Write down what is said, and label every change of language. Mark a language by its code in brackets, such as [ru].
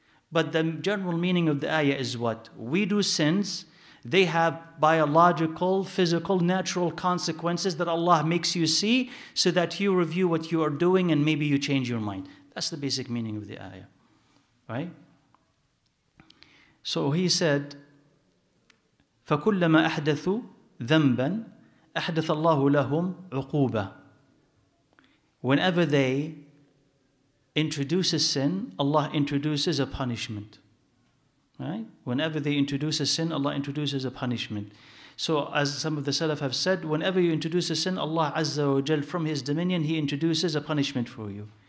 [en] But the general meaning of the ayah is what? We do sins, they have biological, physical, natural consequences that Allah makes you see so that you review what you are doing and maybe you change your mind. That's the basic meaning of the ayah, right? So he said, [ar] فَكُلَّمَا أَحْدَثُوا ذَنْبًا أَحْدَثَ اللَّهُ لَهُمْ عُقُوبَةً. [en] Whenever they introduce a sin, Allah introduces a punishment. Right? Whenever they introduce a sin, Allah introduces a punishment. So as some of the Salaf have said, whenever you introduce a sin, Allah Azza wa Jal from His dominion, He introduces a punishment for you.